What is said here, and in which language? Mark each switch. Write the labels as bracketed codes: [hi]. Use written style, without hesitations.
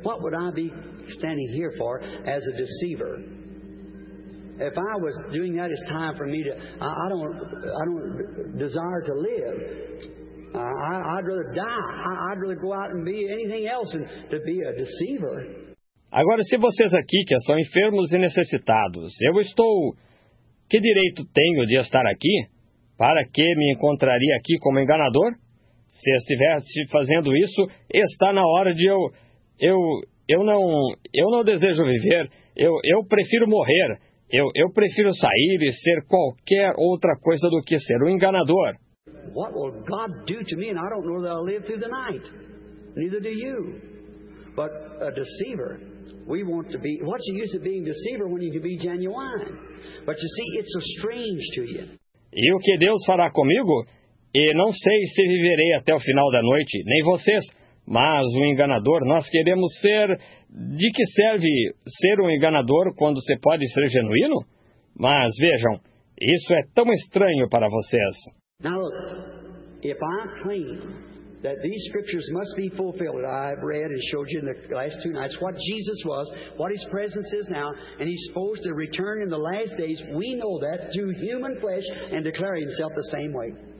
[en] What would I be standing here for as a deceiver? If I was doing that, it's time for me to... I don't desire to live. I'd rather die. I'd rather go out and be anything else than to be a deceiver. [pt] Agora, se vocês aqui que são enfermos e necessitados, eu estou... Que direito tenho de estar aqui? Para que me encontraria aqui como enganador? Se estivesse fazendo isso, está na hora de eu não desejo viver. Eu prefiro morrer. Eu prefiro sair e ser qualquer outra coisa do que ser um enganador. [en] What will God do to me? And I don't know that I'll live through the night. Neither do you. But a deceiver, we want to be... What's the use of being a deceiver when you can be genuine? But you see, it's so strange to you. [pt] E o que Deus fará comigo? E não sei se viverei até o final da noite, nem vocês. Mas um enganador, nós queremos ser... De que serve ser um enganador quando você pode ser genuíno? Mas vejam, isso é tão estranho para vocês. [en] Now look, if I claim that these scriptures must be fulfilled, I've read and showed you in the last 2 nights what Jesus was, what His presence is now, and He's supposed to return in the last days, we know that through human flesh and declare Himself the same way.